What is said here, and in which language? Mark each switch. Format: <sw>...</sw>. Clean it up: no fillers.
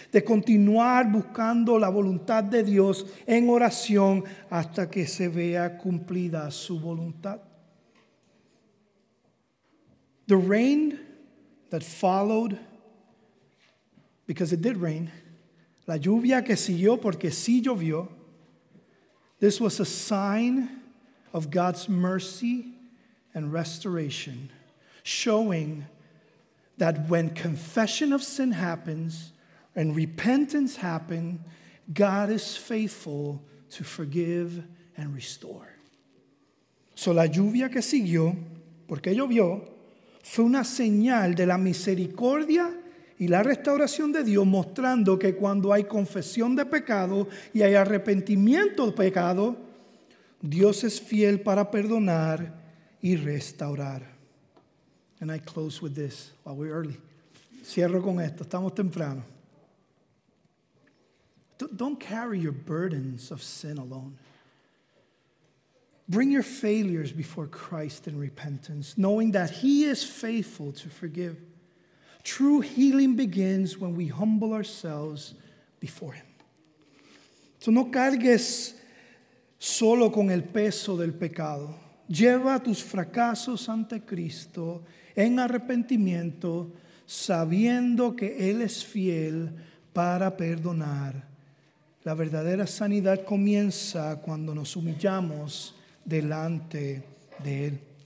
<es>De continuar buscando la voluntad de Dios en oración hasta que se vea cumplida su voluntad.</es> <en>The rain that followed, because it did rain,</en> <es>la lluvia que siguió porque sí llovió,</es> <en>this was a sign of God's mercy and restoration, showing that when confession of sin happens and repentance happens, God is faithful to forgive and restore.</en> <es>So la lluvia que siguió, porque llovió, fue una señal de la misericordia y la restauración de Dios, mostrando que cuando hay confesión de pecado y hay arrepentimiento de pecado, Dios es fiel para perdonar y restaurar.</es> <en>And I close with this while we're early.</en> <es>Cierro con esto. Estamos temprano.</es> <en>Don't carry your burdens of sin alone. Bring your failures before Christ in repentance, knowing that he is faithful to forgive. True healing begins when we humble ourselves before him.</en> <es>So no cargues solo con el peso del pecado. Lleva tus fracasos ante Cristo en arrepentimiento, sabiendo que Él es fiel para perdonar. La verdadera sanidad comienza cuando nos humillamos delante de Él.</es>